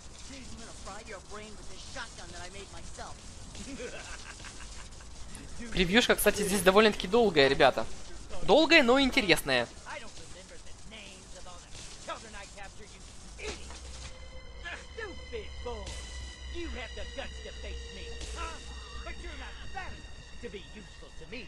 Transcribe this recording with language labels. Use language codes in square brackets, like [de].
[en] Jeez, I'm gonna fry your brain with this shotgun that I made myself. [ru] Превьюшка, кстати, здесь довольно-таки долгая, ребята. Долгая, но интересная. [en] I don't remember the names of all the children I captured, you idiot! Stupid boy! You have the guts to face me, huh? But you're not fat enough to be useful to me.